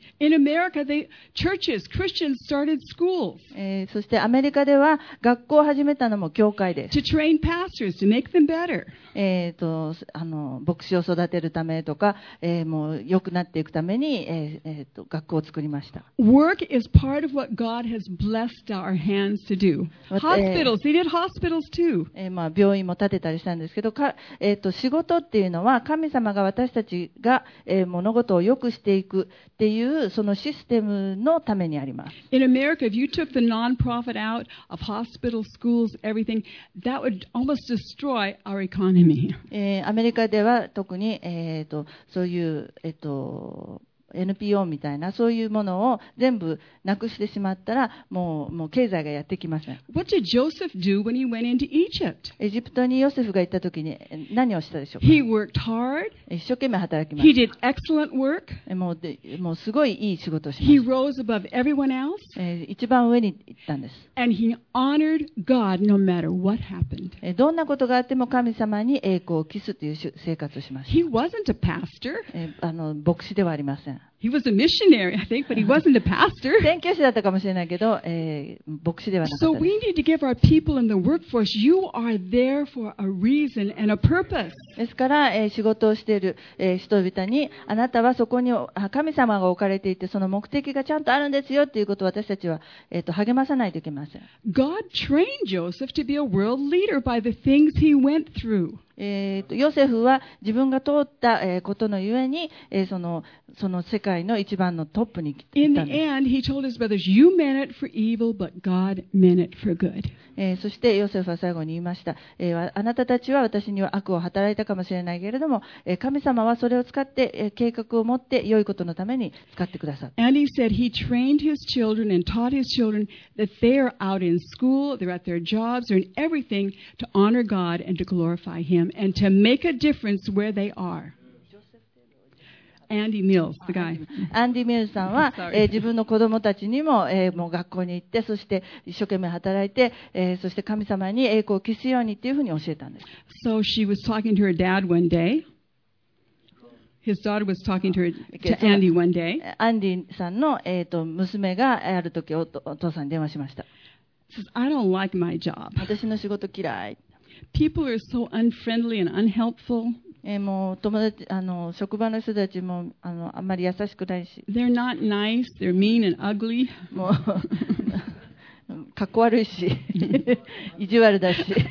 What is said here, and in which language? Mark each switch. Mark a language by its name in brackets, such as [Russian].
[English] In America, the churches, Christians started schools. [Japanese] そしてアメリカでは学校を始めたのも教会です。 [English] To train pastors, to make them better. [Japanese] あの、牧師を育てるためとか、もう良くなっていくために、学校を作りました。 [English] Work is part of what God has blessed our hands to do. Hospitals, they did hospitals too. [Japanese] まあ、病院も建てたりしたんですけど、仕事っていうのは神様が私たちが、物事を良くしていくっていうそのシステムのためにあります。 [English] In America, if you took the non-profit out of hospital, schools, everything, that would almost destroy our economy. [Japanese] アメリカでは特に、そういう、NPO みたいなそういうものを全部なくしてしまったらもう経済がやってきません。 [English] What did Joseph do when he went into Egypt? [Japanese] エジプトにヨセフが行った時に何をしたでしょうか。 [English] He worked hard. [Japanese] 一生懸命働きました。 [English] He did excellent work. [Japanese] もうすごいいい仕事をしました。 [English] He rose above everyone else. [Japanese] 一番上に行ったんです。 [English] And he honored God no matter what happened. [Japanese] どんなことがあっても神様に栄光を期すという生活をしました。 [English] He wasn't a pastor. [Japanese] あの、牧師ではありません。 [English] He was a missionary, I think, but he wasn't a pastor. [Japanese] 宣教師だったかもしれないけど、牧師ではなかった。 [English] So we need to give our people in the workforce. You are there for a reason and a purpose. [Japanese] ですから、仕事をしている、人々に、あなたはそこに神様が置かれていて、その目的がちゃんとあるんですよということを私たちは、励まさないといけません。 [English] God trained Joseph to be a world leader by the things he went through. [Japanese] ヨセフは自分が通った、ことのゆえに、その世界の一番のトップに来たんです。 [English] In the end, he told his brothers, "You meant it for evil, but God meant it for good." [Japanese] そしてヨセフは最後に言いました、あなたたちは私には悪を働いたかもしれないけれども、神様はそれを使って、計画を持って良いことのために使ってくださった。 [English] And he said he trained his children and taught his children that they are out in school, they're at their jobs, they're in everything to honor God and to glorify Him. And to make a difference where they are. Andy Mills, the guy. [Japanese] Andy Mills さんは、自分の子供たちにも、もう学校に行って、そして一生懸命働いて、そして神様に栄光を期すようにっていうふうに教えたんです。 [English] So she was talking to her dad one day. His daughter was talking to her to Andy one day. [Japanese] Andy さんの、娘がある時お父さんに電話しました。 [English] Says, I don't like my job. [Japanese] 私の仕事嫌い。 [English] People are so unfriendly and unhelpful. [Japanese] もう友達、あの、職場の人たちも、あの、あんまり優しくないし。 [English] They're not nice. They're mean and ugly. [Japanese] もう、かっこ悪いし、意地悪だし。